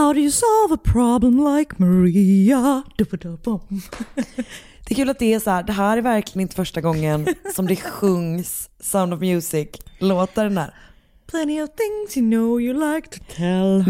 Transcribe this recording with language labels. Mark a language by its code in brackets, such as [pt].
[en] How do you solve a problem like Maria? Du-ba-da-bom. [sv] Det är kul att det är så här, det här är verkligen inte första gången som det sjungs Sound of Music låtar den här. [en] Plenty of things you know you like to tell her.